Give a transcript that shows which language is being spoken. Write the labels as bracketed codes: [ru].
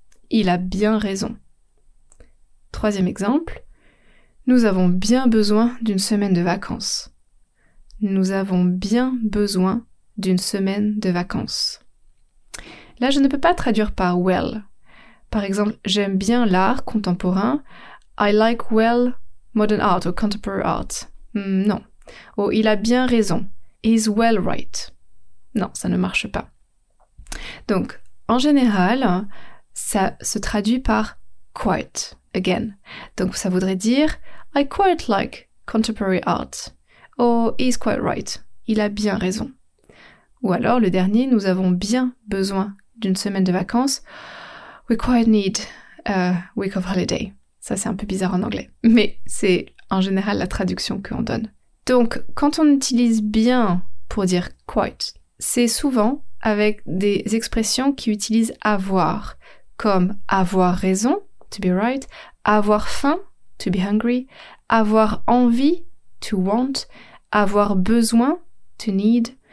[fr] Il a bien raison. Troisième exemple. Nous avons bien besoin d'une semaine de vacances. Nous avons bien besoin d'une semaine de vacances. Là, je ne peux pas traduire par « well ». Par exemple, j'aime bien l'art contemporain. [en] I like well modern art or contemporary art. [fr] Non. Oh, il a bien raison. [en] He's well right. [fr] Non, ça ne marche pas. Donc, en général, ça se traduit par [en] quiet again. [fr] Donc ça voudrait dire [en] I quite like contemporary art. Oh, he's quite right. [fr] Il a bien raison. Ou alors le dernier, nous avons bien besoin d'une semaine de vacances. [en] We quite need a week of holiday. [fr] Ça, c'est un peu bizarre en anglais, mais c'est en général la traduction qu'on donne. Donc, quand on utilise bien pour dire quite, c'est souvent avec des expressions qui utilisent avoir, comme avoir raison, [en] to be right, [fr] avoir faim, [en] to be hungry, [fr] avoir envie, [en] to want, [fr] avoir besoin, [en] to need.